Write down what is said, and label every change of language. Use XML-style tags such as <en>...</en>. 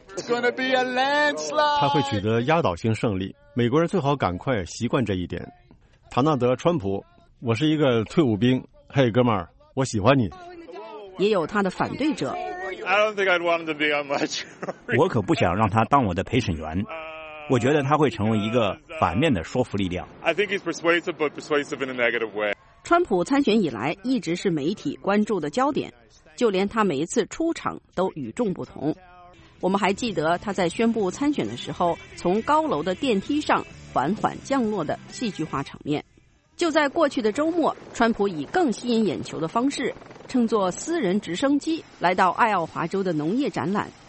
<zh>他会取得压倒性胜利，美国人最好赶快习惯这一点。唐纳德·川普，我是一个退伍兵，嘿哥们儿，我喜欢你。也有他的反对者，我可不想让他当我的陪审员，我觉得他会成为一个反面的说服力量。</zh> <en>I think he's persuasive, but persuasive in a negative way.</en> <zh>川普参选以来一直是媒体关注的焦点，就连他每一次出场都与众不同。我们还记得他在宣布参选的时候从高楼的电梯上缓缓降落的戏剧化场面。就在过去的周末，川普以更吸引眼球的方式乘坐私人直升机来到爱奥华州的农业展览。</zh>